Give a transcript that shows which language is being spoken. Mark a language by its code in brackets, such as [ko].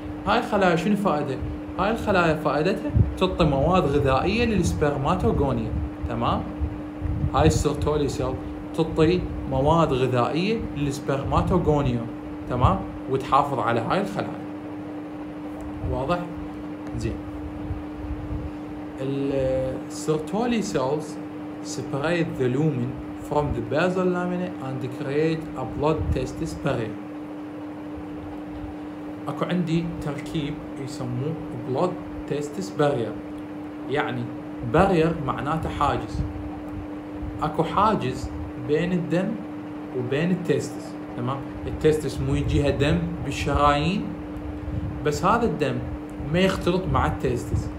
[ar] هاي الخلايا شنو فائدتها؟ هاي الخلايا فائدتها تعطي مواد غذائية للسبرماتوغونيا، تمام؟ هاي السيرتولي سيل تعطي مواد غذائية للسبرماتوغونيا، تمام؟ وتحافظ على هاي الخلايا. واضح؟ زين. [en] السيرتولي cells separate the lumen from the basal lamina and create a blood test sparing. [ar] أكو عندي تركيب يسموه [en] blood test barrier، [ar] يعني barrier معناته حاجز. أكو حاجز بين الدم وبين التستس، تمام؟ التستس مو يجيها دم بالشرايين، بس هذا الدم ما يختلط مع التستس.